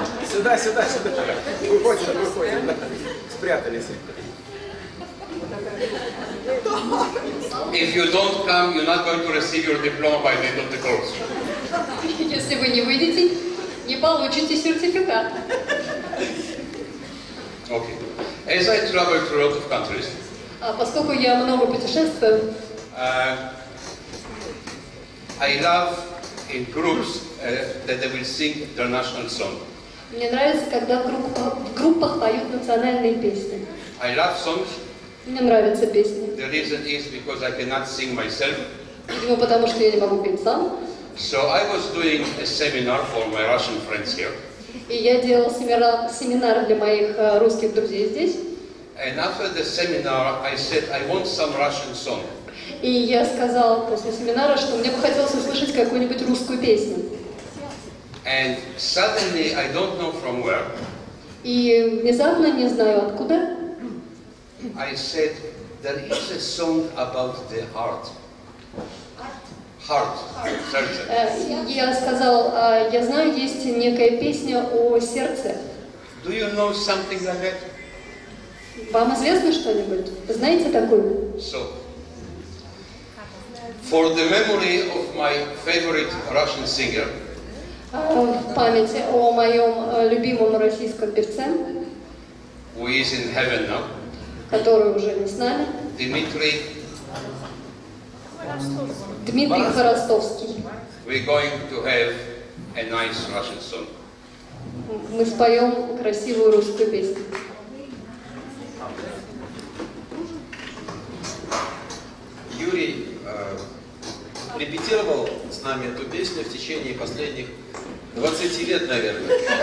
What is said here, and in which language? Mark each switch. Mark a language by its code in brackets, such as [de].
[ru] сюда, сюда, сюда, выходим, выходим, спрятались. [en] If you don't come, you're not going to receive your diploma by the end of the course. [ru] Если вы не выйдете, не получите сертификат. [en] Okay. As I travel through a lot of countries. [ru] А поскольку я много путешествую, [en] I love in groups that they will sing their national song. [ru] Мне нравится, когда в группах поют национальные песни. [en] I love songs. [ru] Мне нравятся песни. [en] The reason is because I cannot sing myself. [ru] Ну, потому что я не могу петь сам. [en] So I was doing a seminar for my Russian friends here. [ru] И я делал семинар для моих русских друзей здесь. [en] And after the seminar, I said, I want some Russian song. [ru] И я сказал после семинара, что мне бы хотелось услышать какую-нибудь русскую песню. [en] And suddenly, I don't know from where. [ru] И внезапно, не знаю откуда. [en] I said, there is a song about the heart. Heart. [ru] Сердце. Я сказал, я знаю, есть некая песня о сердце. [en] Do you know something like that? [ru] Вам известно что-нибудь? Вы знаете такую? [en] So, for the memory of my favorite Russian singer. [ru] В памяти о моем любимом российском певце. [en] Who is in heaven now? [ru] Который уже не с нами. Дмитрий Хворостовский. [en] We're going to have a nice Russian song. [ru] Мы споем красивую русскую песню. Юрий репетировал с нами эту песню в течение последних 20 лет, наверное.